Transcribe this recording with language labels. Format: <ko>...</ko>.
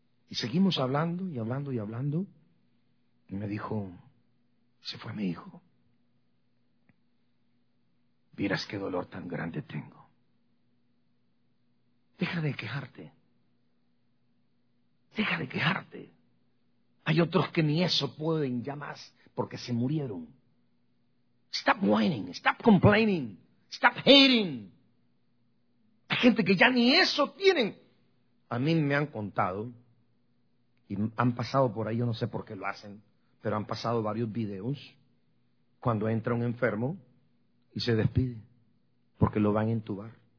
<es>Y seguimos hablando y hablando y hablando. Y me dijo, se fue mi hijo. Vieras qué dolor tan grande tengo. Deja de quejarte. Deja de quejarte. Hay otros que ni eso pueden ya más porque se murieron.</es> <en>Stop whining. Stop complaining. Stop hating.</en> <es>gente que ya ni eso tienen. A mí me han contado, y han pasado por ahí, yo no sé por qué lo hacen, pero han pasado varios videos, cuando entra un enfermo y se despide, porque lo van a entubar.</es>